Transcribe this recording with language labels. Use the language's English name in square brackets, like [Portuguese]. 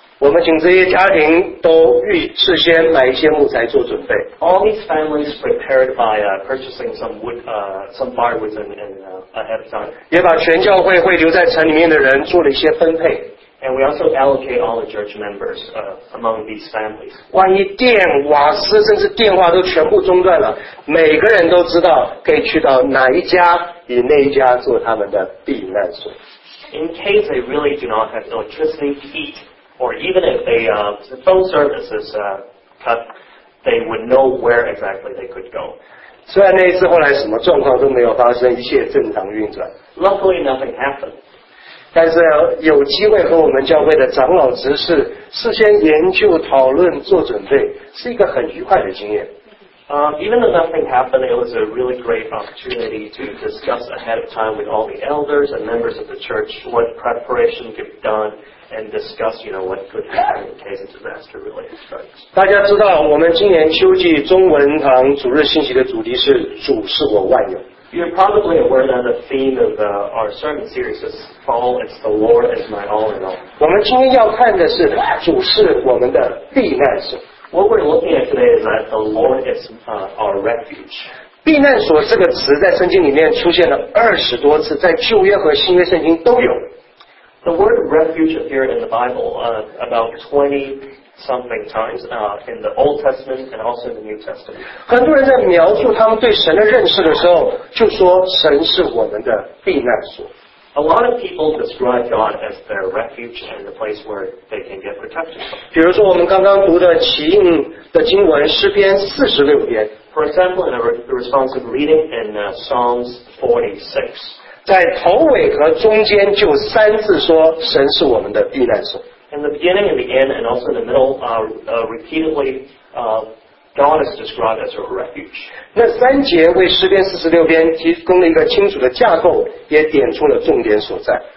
[Chinese] 我们请这些家庭都预事先买一些木材做准备。 [English] All these families prepared by purchasing some wood, some firewoods and ahead of time. [Chinese] 也把全教会会留在城里面的人做了一些分配。 [English] And we also allocate all the church members among these families. [Chinese] 万一电、瓦斯甚至电话都全部中断了，每个人都知道可以去到哪一家，以那一家做他们的避难所。 [English] In case they really do not have electricity, heat. Or even if they, the phone services cut, they would know where exactly they could go. [Chinese] 虽然那一次后来什么状况都没有发生，一切正常运转。 [English] Luckily, nothing happened. [Chinese] 但是有机会和我们教会的长老执事事先研究、讨论、做准备，是一个很愉快的经验。 [English] Even though nothing happened, it was a really great opportunity to discuss ahead of time with all the elders and members of the church what preparation could be done. And discuss, you know, what could happen in case a disaster really strikes. [Chinese] 大家知道，我们今年秋季中文堂主日信息的主题是“主是我万有”。 [English] You're probably aware that the theme of our sermon series is "Fall." It's the Lord is my all in all. [Chinese] 我们今天要看的是主是我们的避难所。 [English] What we're looking at today is that the Lord is our refuge. [Chinese] 避难所这个词在圣经里面出现了20多次，在旧约和新约圣经都有。 [English] The word refuge appeared in the Bible about 20-something times in the Old Testament and also in the New Testament. [Chinese] 很多人在描述他们对神的认识的时候，就说神是我们的避难所。 [English] A lot of people describe God as their refuge and the place where they can get protection. [Chinese] 比如说我们刚刚读的起印的经文诗篇46篇。 [English] For example, in a responsive reading in Psalms 46. [Chinese] 在头尾和中间就三次说神是我们的避难所。 [English] In the beginning, in the end, and also in the middle, repeatedly, God is described as a refuge. [Chinese] 那三节为诗篇四十六篇提供了一个清楚的架构，也点出了重点所在。